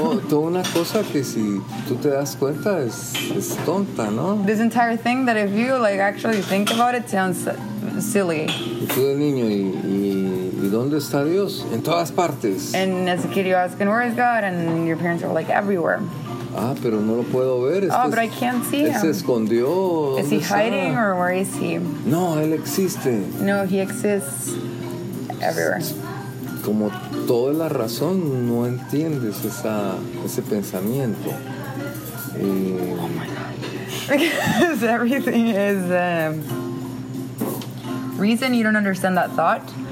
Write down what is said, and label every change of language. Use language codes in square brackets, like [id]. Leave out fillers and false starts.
[es] Toda una cosa que si tú te das cuenta es tonta, ¿no? [en] This entire thing that if you, like, actually think about it, sounds silly. [es] Y tú de niño ¿y dónde está Dios? En todas partes. [en] And as a kid you ask, where is God? And your parents are like, everywhere. [es] Ah, pero no lo puedo ver. [en] Oh, but I can't see him. [es] Se escondió. [en] Is he hiding or where is he? [es] No, él existe. [en] No, he exists everywhere. [es] Como toda la razón, no entiendes ese pensamiento. [en] Because everything is reason, you don't understand that thought.